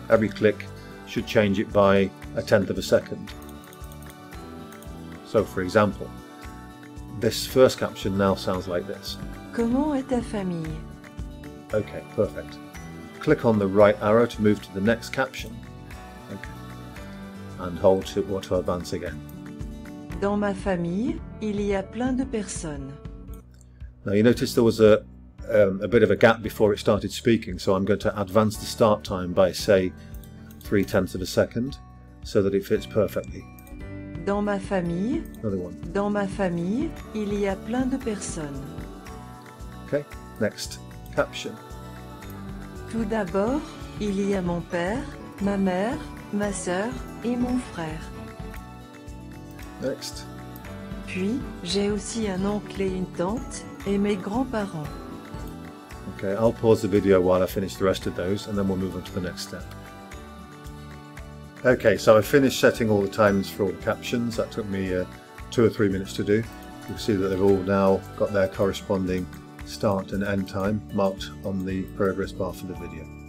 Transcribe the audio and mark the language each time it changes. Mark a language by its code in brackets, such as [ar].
[en] Every click should change it by a tenth of a second. So, for example, this first caption now sounds like this. [fr] Comment est ta famille? [en] Okay, perfect. Click on the right arrow to move to the next caption. Okay. And hold to auto advance again. [fr] Dans ma famille, il y a plein de personnes. [en] Now you notice there was a bit of a gap before it started speaking, so I'm going to advance the start time by, say, 3/10 of a second, so that it fits perfectly. [fr] Dans ma famille. [en] Another one. [fr] Dans ma famille, il y a plein de personnes. [en] Okay, next caption. [fr] Tout d'abord, il y a mon père, ma mère, ma sœur et mon frère. [en] Next. [fr] Puis, j'ai aussi un oncle et une tante. Et mes grands-parents. [en] Okay, I'll pause the video while I finish the rest of those, and then we'll move on to the next step. Okay, so I finished setting all the times for all the captions. That took me 2 or 3 minutes to do. You'll see that they've all now got their corresponding start and end time marked on the progress bar for the video.